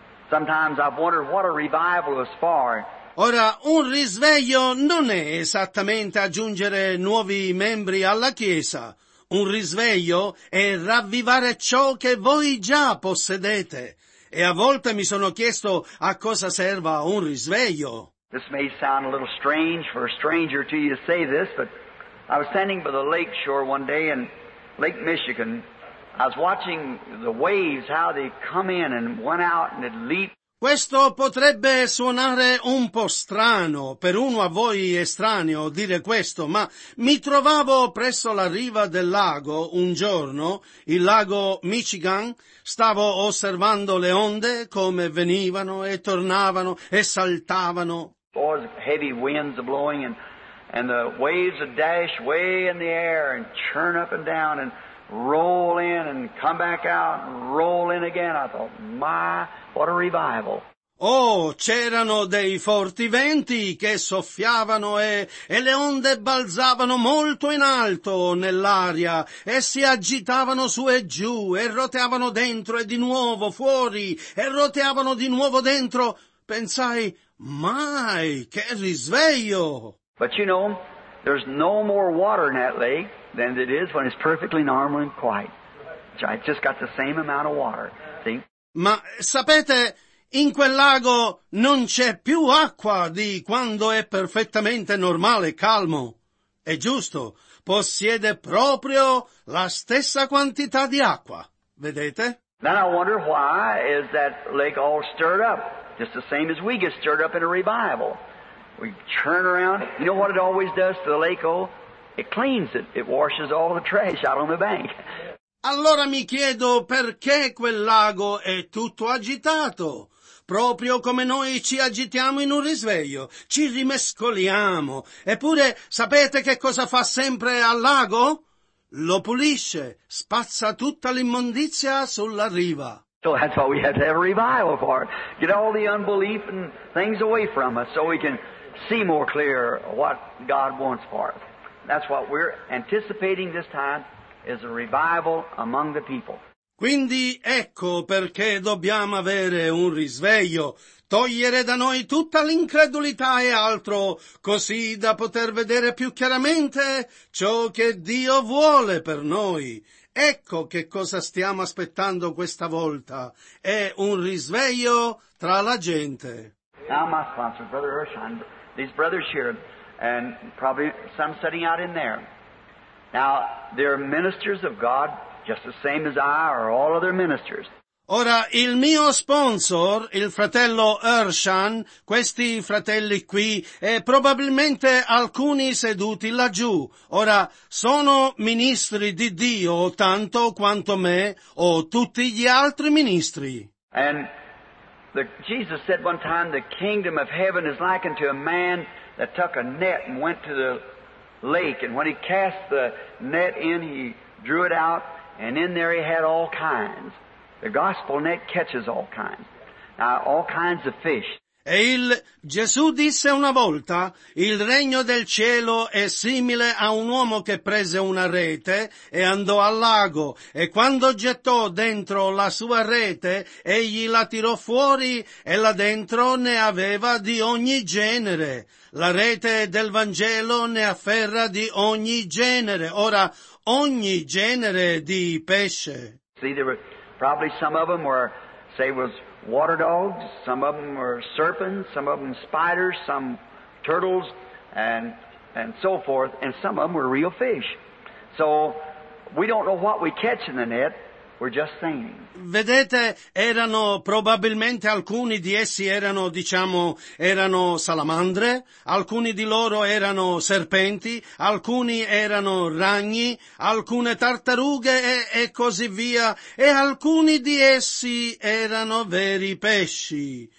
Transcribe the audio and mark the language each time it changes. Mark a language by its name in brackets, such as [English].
[English] Sometimes I've wondered what a revival is for. [Italian] Ora, un risveglio non è esattamente aggiungere nuovi membri alla Chiesa. Un risveglio è ravvivare ciò che voi già possedete. E a volte mi sono chiesto a cosa serva un risveglio. [English] This may sound a little strange for a stranger to you to say this, but I was standing by the lake shore one day in Lake Michigan. I was watching the waves, how they come in and went out and it leaped. [Italian] Questo potrebbe suonare un po' strano, per uno a voi estraneo dire questo, ma mi trovavo presso la riva del lago un giorno, il lago Michigan, stavo osservando le onde come venivano e tornavano e saltavano. [English] Boys, heavy winds are blowing and the waves are dash way in the air and churn up and down and roll in and come back out and roll in again. I thought, my, what a revival. [Italian] Oh, c'erano dei forti venti che soffiavano e le onde balzavano molto in alto nell'aria e si agitavano su e giù e roteavano dentro e di nuovo fuori e roteavano di nuovo dentro. Pensai, my, che risveglio. [English] But you know, there's no more water in that lake than it is when it's perfectly normal and quiet. It's just got the same amount of water, see? [Italian] Ma sapete, in quel lago non c'è più acqua di quando è perfettamente normale e calmo. È giusto, possiede proprio la stessa quantità di acqua, vedete? [English] Then I wonder why is that lake all stirred up, just the same as we get stirred up in a revival. We turn around, you know what it always does to the lake, oh? It cleans it. It washes all the trash out on the bank. [Italian] Allora mi chiedo perché quel lago è tutto agitato. Proprio come noi ci agitiamo in un risveglio. Ci rimescoliamo. Eppure sapete che cosa fa sempre al lago? Lo pulisce. Spazza tutta l'immondizia sulla riva. [English] So that's why we have to have a revival for it. Get all the unbelief and things away from us so we can see more clear what God wants for us. That's what we're anticipating this time is a revival among the people. [Italian] Quindi ecco perché dobbiamo avere un risveglio, togliere da noi tutta l'incredulità e altro, così da poter vedere più chiaramente ciò che Dio vuole per noi. Ecco che cosa stiamo aspettando questa volta, è un risveglio tra la gente. [English] Now my sponsor, Brother Hirschheim, these brothers here, and probably some sitting out in there. Now, they're ministers of God, just the same as I or all other ministers. [Italian] Ora, il mio sponsor, il fratello Hirschheim, questi fratelli qui, e probabilmente alcuni seduti laggiù. Ora, sono ministri di Dio tanto quanto me o tutti gli altri ministri. [English] And Jesus said one time, the kingdom of heaven is likened to a man that took a net and went to the lake, and when he cast the net in, he drew it out, and in there he had all kinds. The gospel net catches all kinds. Now, all kinds of fish. [Italian] E Gesù disse una volta, il regno del cielo è simile a un uomo che prese una rete e andò al lago, e quando gettò dentro la sua rete, egli la tirò fuori e là dentro ne aveva di ogni genere. La rete del Vangelo ne afferra di ogni genere. Ora, ogni genere di pesce. [English] See, there were probably some of them were, say, was water dogs, some of them were serpents, some of them spiders, some turtles, and so forth, and some of them were real fish. So, we don't know what we catch in the net. We're just saying. [Italian] Vedete, erano probabilmente alcuni di essi erano, diciamo, erano salamandre, alcuni di loro erano serpenti, alcuni erano ragni, alcune tartarughe e così via, e alcuni di essi erano veri pesci.